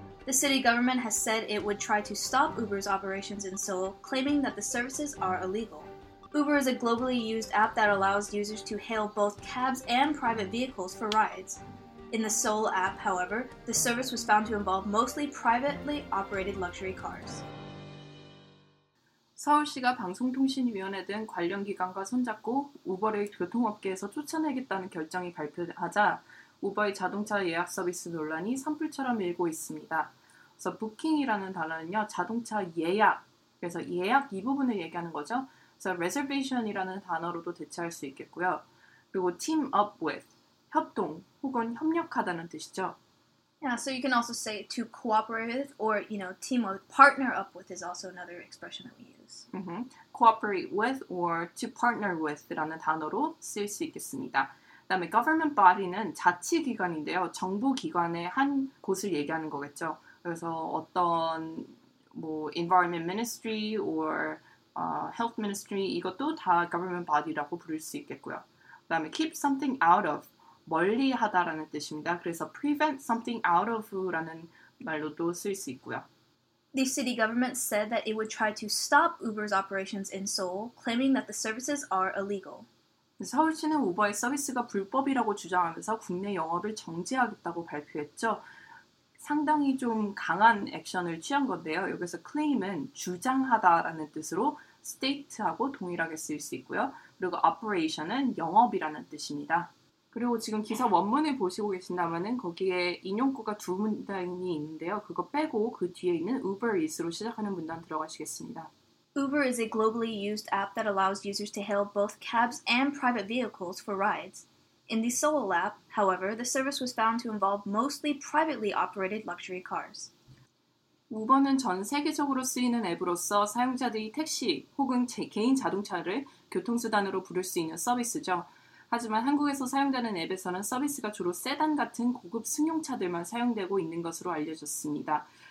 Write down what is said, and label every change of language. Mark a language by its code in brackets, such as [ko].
[en] The city government has said it would try to stop Uber's operations in Seoul, claiming that the services are illegal. Uber is a globally used app that allows users to hail both cabs and private vehicles for rides. In the Seoul app, however, the service was found to involve mostly privately operated luxury cars. [ko] 서울시가 방송통신위원회 등 관련 기관과 손잡고 우버를 교통업계에서 쫓아내겠다는 결정이 발표하자 우버의 자동차 예약 서비스 논란이 산불처럼 일고 있습니다. 그래서 booking이라는 단어는요, 자동차 예약, 그래서 예약 이 부분을 얘기하는 거죠. 그래서 reservation이라는 단어로도 대체할 수 있겠고요. 그리고 team up with, 협동 혹은 협력하다는 뜻이죠. [en] Yeah, so you can also say to cooperate with or, you know, team up, partner up with is also another expression that we use. Mm-hmm. Cooperate with or to partner with라는 [ko] 단어로 쓸 수 있겠습니다. 그 다음에 government body는 자치기관인데요. 정부기관의 한 곳을 얘기하는 거겠죠. 그래서 어떤 뭐 [en] environment ministry or health ministry [ko] 이것도 다 government body라고 부를 수 있겠고요. 그 다음에 [en] keep something out of. [ko] 멀리하다라는 뜻입니다. 그래서 [en] prevent something out of [ko] 라는 말로도 쓸 수 있고요. [en] The city government said that it would try to stop Uber's operations in Seoul, claiming that the services are illegal. [ko] 서울시는 우버의 서비스가 불법이라고 주장하면서 국내 영업을 정지하겠다고 발표했죠. 상당히 좀 강한 액션을 취한 건데요. 여기서 claim은 주장하다라는 뜻으로 state하고 동일하게 쓸 수 있고요. 그리고 operation은 영업이라는 뜻입니다. 그리고 지금 기사 원문을 보시고 계신다면은 거기에 인용구가 두 문단이 있는데요. 그거 빼고 그 뒤에 있는 Uber Eats로 시작하는 문단 들어가시겠습니다. [en] Uber is a globally used app that allows users to hail both cabs and private vehicles for rides. In the Seoul app, however, the service was found to involve mostly privately operated luxury cars. [ko] Uber는 전 세계적으로 쓰이는 앱으로서 사용자들이 택시 혹은 개인 자동차를 교통수단으로 부를 수 있는 서비스죠. 하지만 한국에서 사용되는 앱에서는 서비스가 주로 세단 같은 고급 승용차들만 사용되고 있는 것으로 알려졌습니다.